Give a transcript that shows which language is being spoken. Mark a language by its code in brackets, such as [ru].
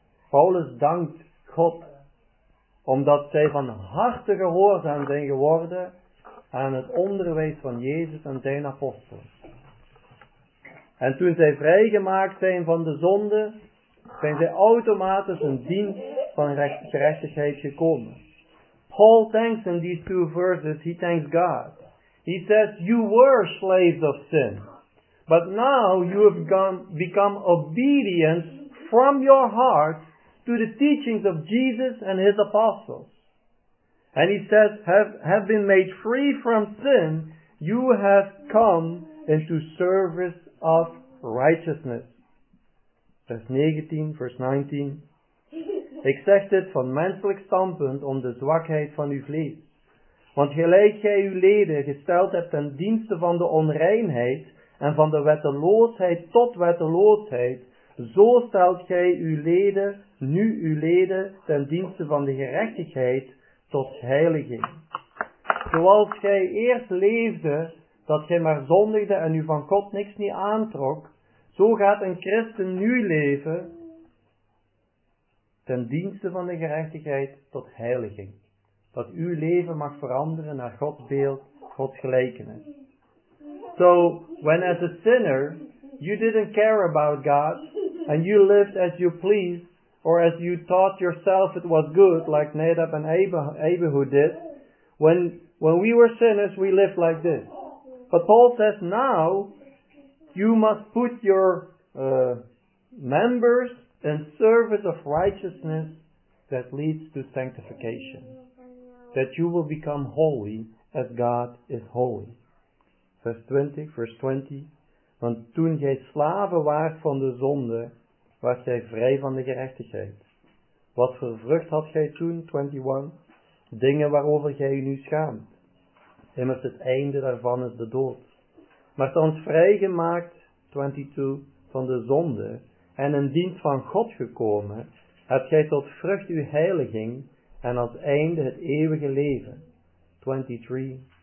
[nl] Paulus dankt God, omdat zij van harte gehoorzaam zijn geworden aan het onderwijs van Jezus en zijn apostelen. En toen zij vrijgemaakt zijn van de zonde, zijn zij automatisch in dienst van gerechtigheid gekomen. [en] Paul thanks in these two verses, he thanks God. He says, you were slaves of sin, but now you have become obedient from your heart to the teachings of Jesus and his apostles. And he says, have been made free from sin, you have come into service of righteousness. Verse 19, verse 19. [nl] Ik zeg dit van menselijk standpunt om de zwakheid van uw vlees. Want gelijk gij uw leden gesteld hebt ten dienste van de onreinheid en van de wetteloosheid tot wetteloosheid, zo stelt gij uw leden, nu uw leden, ten dienste van de gerechtigheid tot heiliging. Zoals gij eerst leefde, dat gij maar zondigde en u van God niks niet aantrok, zo gaat een christen nu leven ten dienste van de gerechtigheid tot heiliging. Dat uw leven mag veranderen naar Gods beeld, Gods gelijkenis. [en] So, when as a sinner, you didn't care about God, and you lived as you pleased, or as you thought yourself it was good, like Nadab and Abihu did, when we were sinners, we lived like this. But Paul says, now, you must put your members in service of righteousness that leads to sanctification. That you will become holy as God is holy. Verse 20, verse 20. [nl] Want toen gij slaven waart van de zonde, was gij vrij van de gerechtigheid. Wat voor vrucht had gij toen, 21, dingen waarover gij u nu schaamt. Immers het einde daarvan is de dood. Maar thans vrijgemaakt, 22, van de zonde, en in dienst van God gekomen, hebt gij tot vrucht uw heiliging en als einde het eeuwige leven. 23.